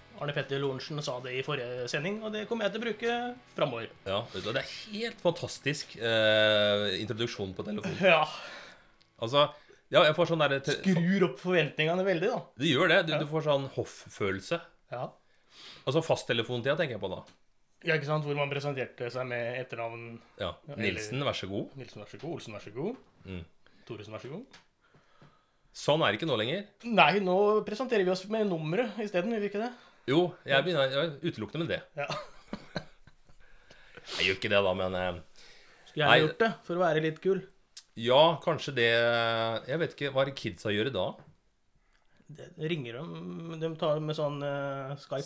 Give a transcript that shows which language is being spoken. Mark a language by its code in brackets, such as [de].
[sv] Arne Petter Lorentzen sa det I förra sändning och det kommer jag att bruka framöver. Ja, det är helt fantastisk introduktion på telefon. Ja. Alltså, ja, jag får sån där skruvar upp förväntningarna väldigt då. Det gör det. Du får sån hoffkänsla. Ja. Alltså fast telefon till jag tänker på då. [no] Ja, ikke sant, hvor man presenterte seg med etternavn Ja, Nilsen, vær så god Nilsen, vær så god, Olsen, vær så god mm. Thoresen, vær så god Sånn det ikke nå lenger Nei, nå presenterer vi oss med numre I stedet, gjør vi ikke det? Jo, jeg begynner å utelukte med det Ja Jeg gjør ikke det da, men Skulle jeg gjort det, for å være litt kul? Ja, kanskje det Jeg vet ikke, hva kidsa gjør da? Det ringer dem, de tar med sånn Skype